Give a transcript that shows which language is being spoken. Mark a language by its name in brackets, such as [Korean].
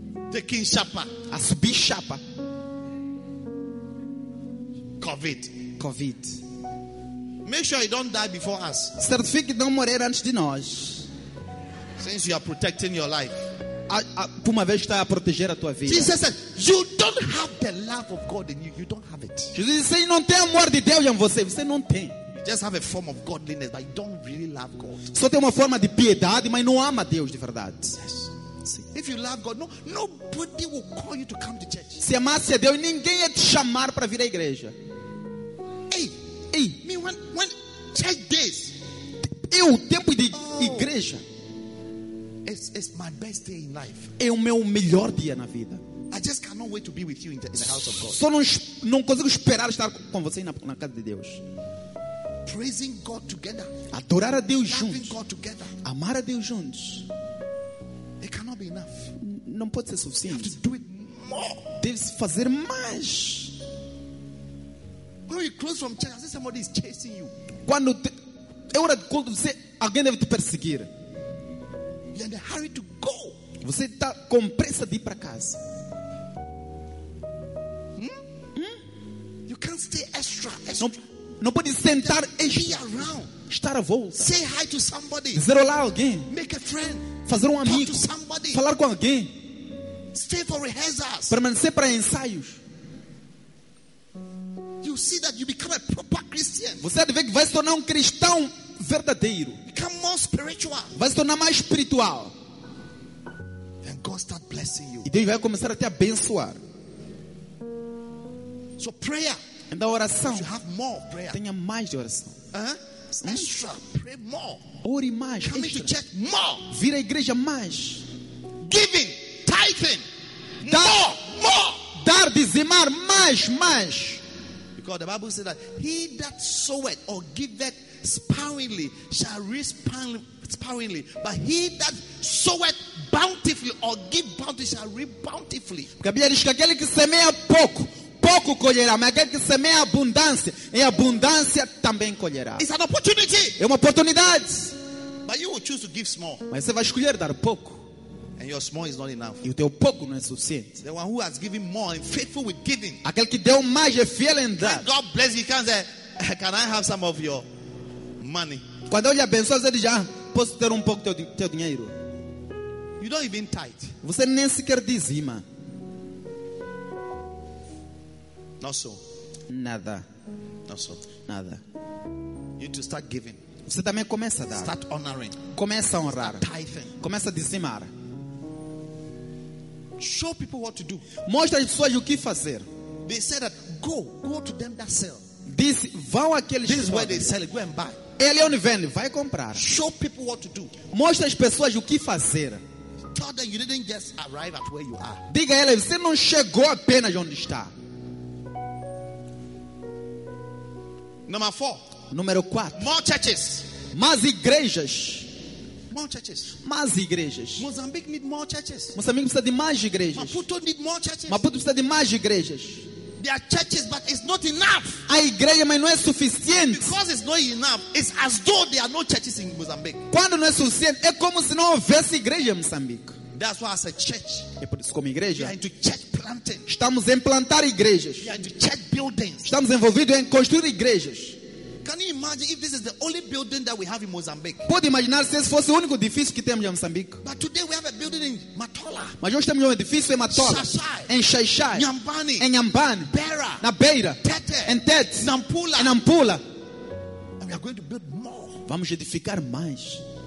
[English] Taking chapa. [Portuguese] A subir chapa. [English] COVID. Make sure you don't die before us. [Portuguese] Certifique de não morrer antes de nós. [English] Since you are protecting your life, [Portuguese] uma vez está a proteger a tua vida. [English] Jesus said, "You don't have the love of God in you. You don't have it." [Portuguese] Jesus disse, não tem amor de Deus em você. Você não tem. [English] You just have a form of godliness, but you don't really love God. [Portuguese] Só tem uma forma de piedade, mas não ama Deus de verdade. [English] Yes. If you love God, nobody will call you to come to church. [Portuguese] Se amasse a Deus, ninguém ia te chamar para vir à igreja. [English] Hey, me when church days. [Portuguese] Eu tempo de igreja. [English] It's my best day in life. [Portuguese] É o meu melhor dia na vida. [English] I just cannot wait to be with you in the house of God. [Portuguese] Só não consigo esperar estar com você na casa de Deus. [English] Praising God together. [Portuguese] Adorar a Deus juntos. [English] Loving God together. [Portuguese] Amar a Deus juntos. [English] It cannot be enough. [Portuguese] Não pode ser suficiente. [English] You have to do it more. [Portuguese] Deves fazer mais. [English] When you close from church, I see somebody is chasing you. [Portuguese] Quando é hora de culto, você alguém deve te perseguir. [English] You're in a hurry to go. [Portuguese] Você está com pressa de ir para casa. [English] You can't stay extra. [Portuguese] Não pode sentar extra. [English] Be around. [Portuguese] Estar à volta. [English] Say hi to somebody. [Portuguese] Dizer olá a alguém. [English] Make a friend. [Portuguese] Fazer um amigo. [English] Talk to somebody. [Portuguese] Falar com alguém. [English] Stay for rehearsals. [Portuguese] Permanecer para ensaios. [English] You see that you become a proper Christian. [Portuguese] Você deve ver que vai se tornar cristão verdadeiro. [English] Become more spiritual. [Portuguese] Vai se tornar mais espiritual. [English] And God start blessing you. [Portuguese] E Deus vai começar a te abençoar. [English] So prayer. And [Portuguese] a oração. [English] You have more prayer. [Portuguese] Tenha mais de oração. [English] Extra. Pray more. [Portuguese] Ore mais. [English] Come extra. To church more. [Portuguese] Vir à igreja mais. [English] Giving. Tithing. More. [Portuguese] Dar, dizimar. Mais. [English] Because the Bible says that he that soweth or giveth sparingly shall reap sparingly, but he that soweth bountifully or give bountifully shall reap bountifully. [Portuguese] Porque a Bíblia diz que aquele que semeia pouco colherá, mas aquele que semeia abundância, em abundância também colherá. [English] It's an opportunity. [Portuguese] É uma oportunidade. [English] But you will choose to give small. [Portuguese] Mas você vai escolher dar pouco. [English] And your small is not enough. [Portuguese] E o teu pouco não é suficiente. [English] The one who has given more and faithful with giving. [Portuguese] Aquele que deu mais é fiel em dar. [English] God bless you. Can't say, can I have some of your money? [Portuguese] Quando eu lhe abençoo, você diz, posso ter pouco do teu dinheiro. [English] You don't even tithe. [Portuguese] Você nem sequer dizima. [English] Not so. [Portuguese] Nada. [English] Not so. [Portuguese] Nada. [English] You need to start giving. [Portuguese] Você também começa a dar. [English] Start honoring. [Portuguese] Começa a honrar. [English] Tithing. [Portuguese] Começa a dizimar. [English] Show people what to do. [Portuguese] Mostra às pessoas o que fazer. [English] They said that go to them that sell. This [Portuguese] vão aqueles. [English] This is where they sell. Go and buy. [Portuguese] Ele é onde vende. Vai comprar. [English] Show people what to do. [Portuguese] Mostra às pessoas o que fazer. [English] Tell them you didn't just arrive at where you are. [Portuguese] Diga a ele, você não chegou apenas onde está. [English] Number 4. [Portuguese] Número 4. [English] More churches. [Portuguese] Mais igrejas. [English] More churches. [Portuguese] Mais igrejas. [English] Mozambique need more churches. [Portuguese] Moçambique precisa de mais igrejas. [English] Maputo need more churches. [Portuguese] Maputo precisa de mais igrejas. [English] There are churches, but it's not enough. [Portuguese] A igreja, mas não é suficiente. [English] Because it's not enough, it's as though there are no churches in Mozambique. [Portuguese] Quando não é suficiente, é como se não houvesse igreja em Moçambique. [English] That's why as a church. [Portuguese] É por isso como igreja. [English] We are into church planting. [Portuguese] Estamos em plantar igrejas. [English] We are into church buildings. [Portuguese] Estamos envolvidos em construir igrejas. [English] Can you imagine if this is the only building that we have in Mozambique? [Portuguese] Pode imaginar se esse fosse o único edifício que temos em Moçambique. [English] But today we have a building in Matola. [Portuguese] Mas hoje temos um edifício em Matola. [English] Shashai. [Portuguese] Em Shashai. [English] Nyambani. [Portuguese] Em Nyambani. [English] Beira. [Portuguese] Na Beira. [English] Tete. [Portuguese] Em Tete. [English] Nampula. [Portuguese] Em Nampula. [English] And we are going to build more. [Portuguese] Vamos edificar mais.